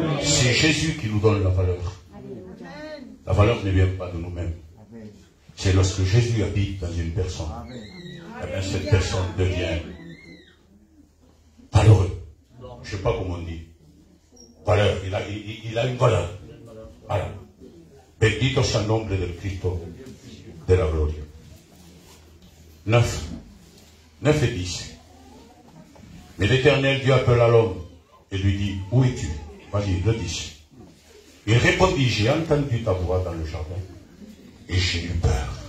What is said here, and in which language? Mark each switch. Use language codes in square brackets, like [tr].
[fr] C'est Jésus qui nous donne la valeur. La valeur ne vient pas de nous-mêmes. C'est lorsque Jésus habite dans une personne, et bien cette personne devient valeureux. Je ne sais pas comment on dit. Valeur, il a une valeur. Voilà. [es] Bendito sea el nombre del Cristo de la gloria. [fr] 9 et 10. Mais l'Éternel Dieu appela l'homme et lui dit, où es-tu? Vas-y, le dis. Il répondit, j'ai entendu ta voix dans le jardin et j'ai eu peur.